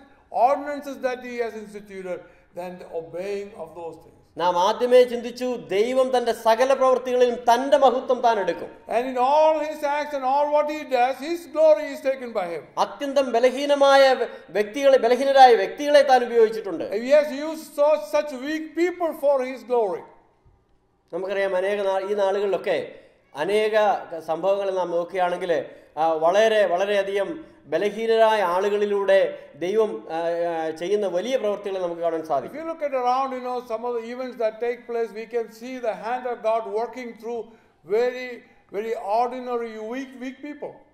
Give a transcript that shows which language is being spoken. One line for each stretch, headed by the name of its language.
English: Ordinances that he has instituted, then the obeying of those things.
Malayalam: നാം ആദ്യമേ ചിന്തിച്ചു, ദൈവം തന്റെ സകല പ്രവൃത്തികളിലും തന്റെ മഹത്വം താൻ എടുക്കും.
English: And in all his acts and all what he does, his glory is taken by him.
Malayalam: അത്യന്തം ബലഹീനമായ വ്യക്തികളെ, ബലഹീനരായ വ്യക്തികളെ താൻ ഉപയോഗിച്ചിട്ടുണ്ട്.
English: He has used so such weak people for his glory.
Malayalam: നമുക്കറിയാം, അനേക ഈ നാളുകളിലൊക്കെ അനേക സംഭവങ്ങളെ നാം നോക്കുകയാണെങ്കിൽ വളരെ വളരെയധികം ബലഹീനരായ ആളുകളിലൂടെ ദൈവം ചെയ്യുന്ന വലിയ പ്രവൃത്തികൾ നമുക്ക് കാണാൻ സാധിക്കും.
English: If you look at around, you know, some of the events that take place, we can see the hand of God working through very very ordinary weak people.